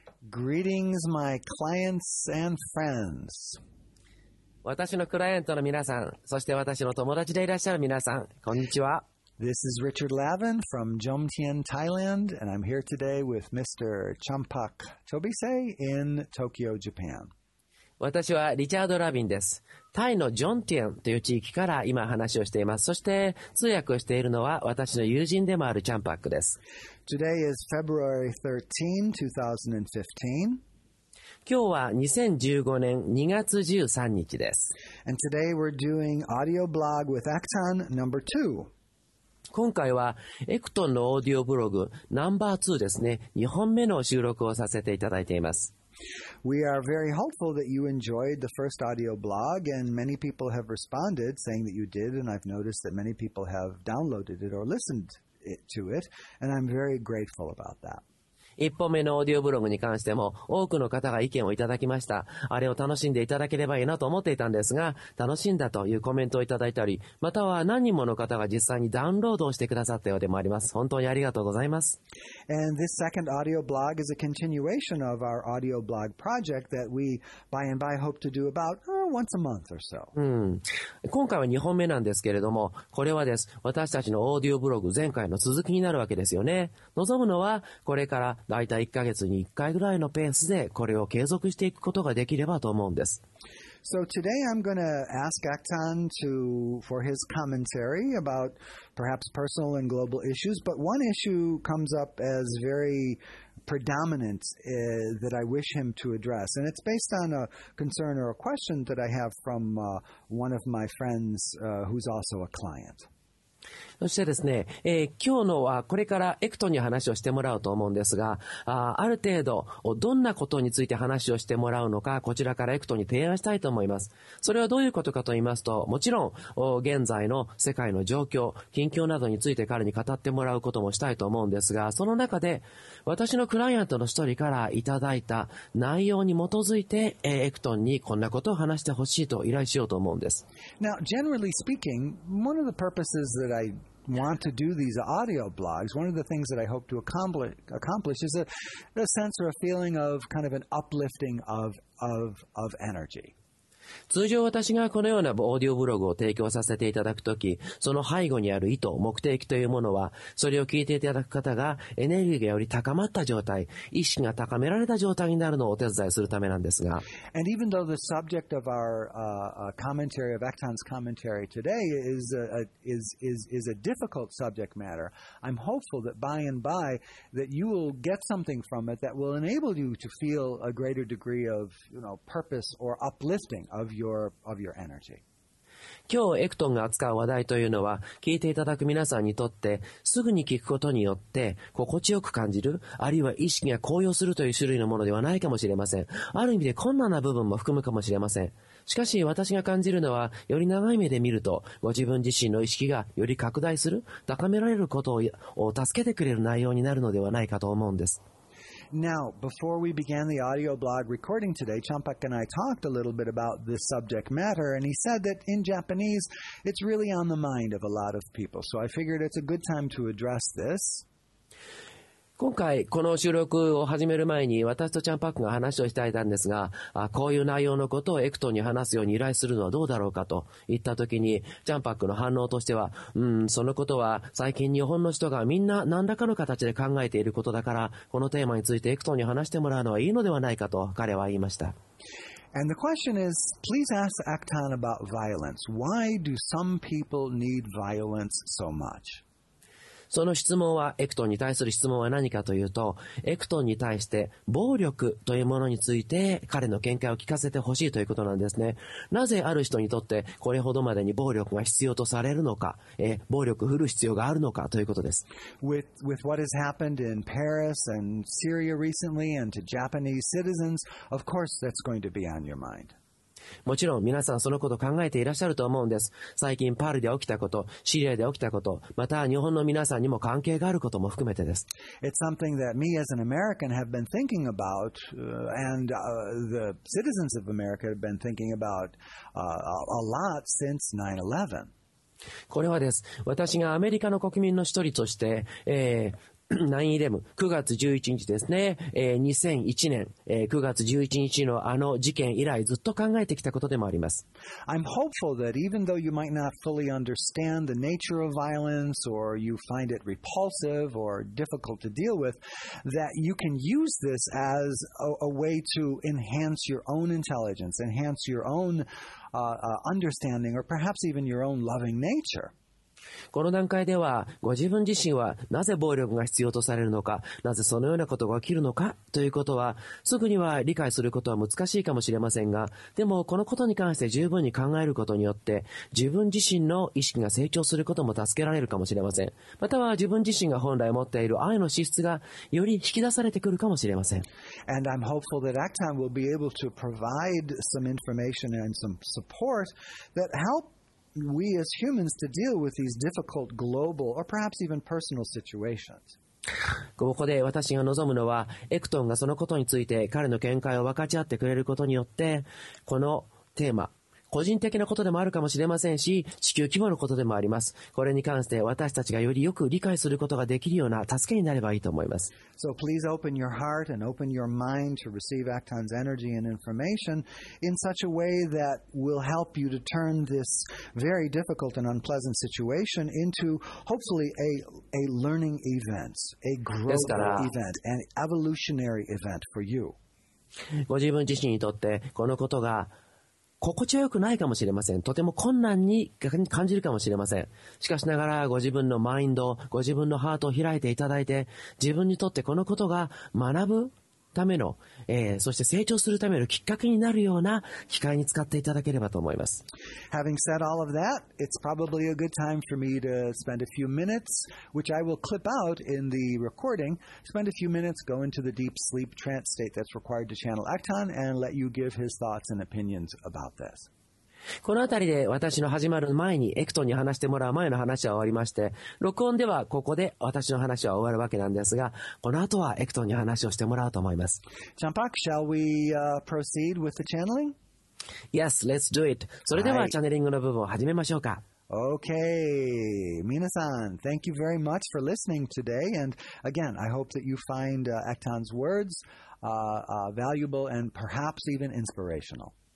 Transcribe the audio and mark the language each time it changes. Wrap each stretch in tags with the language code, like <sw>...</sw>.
<en>Greetings, my clients and friends.</en> <ja>私のクライアントの皆さん、そして私の友達でいらっしゃる皆さん、こんにちは。</ja> <en>This is Richard Lavin from Jomtien, Thailand, and I'm here today with Mr. Champak Tobise in Tokyo, Japan.</en> <ja>私はリチャード・ラビンです。タイのジョンティエンという地域から今話をしています。そして通訳をしているのは私の友人でもあるチャンパックです。</ja> <en>Today is February 13, 2015.</en> <ja>今日は2015年2月13日です。</ja> <en>And today we're doing audio blog with Acton number 2.</en> <ja>今回はエクトンのオーディオブログナンバー2ですね、2本目の収録をさせていただいています。</ja> <en>We are very hopeful that you enjoyed the first audio blog and many people have responded saying that you did and I've noticed that many people have downloaded it or listened to it and I'm very grateful about that.</en> <ja>一本目のオーディオブログに関しても多くの方が意見をいただきました。あれを楽しんでいただければいいなと思っていたんですが、楽しんだというコメントをいただいたり、または何人もの方が実際にダウンロードをしてくださったようでもあります。本当にありがとうございます。</ja> <en>And this second audio blog is a continuation of our audio blog project that we by and by hope to do about once a month or so.</en> <ja>今回は2本目なんですけれども、これはです私たちのオーディオブログ前回の続きになるわけですよね。望むのはこれからだいたい1ヶ月に1回ぐらいのペースでこれを継続していくことができればと思うんです。</ja> <en>So today I'm going to ask Acton for his commentary about perhaps personal and global issues, but one issue comes up as very predominant that I wish him to address, and it's based on a concern or a question that I have from one of my friends who's also a client.</en> <ja>そしてですね、今日のはこれからエクトンに話をしてもらうと思うんですが、ある程度どんなことについて話をしてもらうのか、こちらからエクトンに提案したいと思います。それはどういうことかと言いますと、もちろん現在の世界の状況、近況などについて彼に語ってもらうこともしたいと思うんですが、その中で私のクライアントの一人からいただいた内容に基づいて、エクトンにこんなことを話してほしいと依頼しようと思うんです。</ja> <en>Now, generally speaking, one of the purposes that I want to do these audio blogs, one of the things that I hope to accomplish is a sense or a feeling of kind of an uplifting of energy.</en> <ja>通常私がこのようなオーディオブログを提供させていただくとき、その背後にある意図、目的というものは、それを聞いていただく方がエネルギーがより高まった状態、意識が高められた状態になるのをお手伝いするためなんですが。</ja> <en>And even though the subject of our commentary, of Acton's commentary today is a difficult subject matter, I'm hopeful that by and by that you will get something from it that will enable you to feel a greater degree of, you know, purpose or upliftingOf your energy.</en> <ja>今日エクトンが扱う話題というのは、聞いていただく皆さんにとってすぐに聞くことによって心地よく感じる、あるいは意識が高揚するという種類のものではないかもしれません。ある意味で困難な部分も含むかもしれません。しかし私が感じるのは、より長い目で見るとご自分自身の意識がより拡大する、高められることを助けてくれる内容になるのではないかと思うんです。</ja> <en>Now, before we began the audio blog recording today, Champak and I talked a little bit about this subject matter, and he said that in Japanese, it's really on the mind of a lot of people. So I figured it's a good time to address this.</en> <ja>今回この収録を始める前に私とチャンパックが話をしていたんですが、こういう内容のことをエクトンに話すように依頼するのはどうだろうかと言った時に、チャンパックの反応としては、そのことは最近日本の人がみんな何らかの形で考えていることだから、このテーマについてエクトンに話してもらうのはいいのではないかと彼は言いました。</ja> <en>And the question is, please ask Acton about violence. Why do some people need violence so much?</en> <ja>その質問は、エクトンに対する質問は何かというと、エクトンに対して暴力というものについて彼の見解を聞かせてほしいということなんですね。なぜある人にとってこれほどまでに暴力が必要とされるのか、暴力振る必要があるのかということです。</ja> <en>With what has happened in Paris and Syria recently and to Japanese citizens, of course that's going to be on your mind.</en> <ja>もちろん皆さんそのことを考えていらっしゃると思うんです。最近パリで起きたこと、シリアで起きたこと、また日本の皆さんにも関係があることも含めてです。</ja> <en>It's something that me as an American have been thinking about and the citizens of America have been thinking about a lot since 9/11.</en> <ja>これはです、私がアメリカの国民の一人として、ナインイレブン、9月11日ですね、2001年、9月11日のあの事件以来ずっと考えてきたことでもあります。</ja> <en>I'm hopeful that even though you might not fully understand the nature of violence or you find it repulsive or difficult to deal with, that you can use this as a way to enhance your own intelligence, enhance your own understanding or perhaps even your own loving nature。</en> <ja>この段階ではご自分自身はなぜ暴力が必要とされるのか、なぜそのようなことが起きるのかということはすぐには理解することは難しいかもしれませんが、でもこのことに関して十分に考えることによって自分自身の意識が成長することも助けられるかもしれません。または自分自身が本来持っている愛の資質がより引き出されてくるかもしれません。</ja> <en>And I'm hopeful that Acton will be able to provide some information and some support that helpWe as humans to deal with these difficult global or perhaps even personal situations.</en> <ja>ここで私が望むのは、エクトンがそのことについて彼の見解を分かち合ってくれることによって、このテーマ、個人的なことでもあるかもしれませんし、地球規模のことでもあります。これに関して私たちがよりよく理解することができるような助けになればいいと思います。</ja> <en>So please open your heart and open your mind to receive Acton's energy and information in such a way that will help you to turn this very difficult and unpleasant situation into hopefully a learning event, a growth event, an evolutionary event for you.</en> <ja>ご自分自身にとってこのことが心地よくないかもしれません。とても困難に感じるかもしれません。しかしながら、ご自分のマインド、ご自分のハートを開いていただいて、自分にとってこのことが学ぶための、そして成長するためのきっかけになるような機会に使っていただければと思います。</ja> <en>Having said all of that, it's probably a good time for me to spend a few minutes, which I will clip out in the recording, spend a few minutes, go into the deep sleep trance state that's required to channel Acton, and let you give his thoughts and opinions about this.</en> <ja>このあたりで私の始まる前にエクトンに話してもらう前の話は終わりまして、録音ではここで私の話は終わるわけなんですが、この後はエクトンに話をしてもらおうと思います。</ja> <en>ジャンパック、 shall we proceed with the channeling? Yes, let's do it.</en> <ja>それでは、はい、チャネリングの部分を始めましょうか。</ja> <en>Okay,</en> <ja>皆さん</ja> <en>thank you very much for listening today, and again I hope that you find Acton's words valuable and perhaps even inspirational.</en>